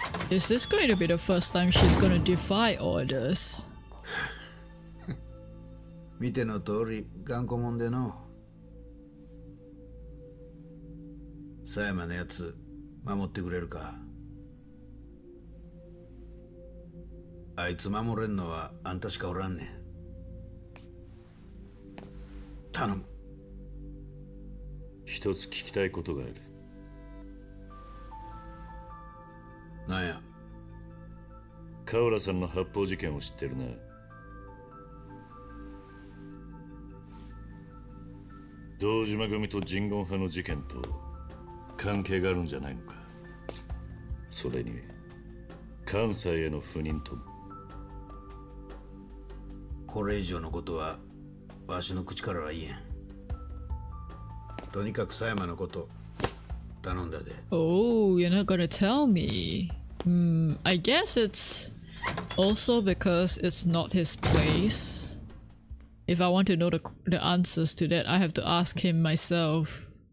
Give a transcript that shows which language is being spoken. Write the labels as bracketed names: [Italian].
[English] Is this going to be the first time she's gonna defy orders? [Japanese] 見ての通り頑固もんでの。佐山のやつ守ってくれるか。あいつ守れんのはあんたしかおらんねん。頼む。一つ聞きたいことがある。なんや。河浦さんの発砲事件を知ってるな。堂島組と神言派の事件と関係があるんじゃないのか。それに関西への赴任とも。これ以上のことはわしの口からは言えん。とにかく佐山のこと頼んだで。 [English] Oh, you're not gonna tell me. I guess it's also because it's not his place. If I want to know the answers to that, I have to ask him myself.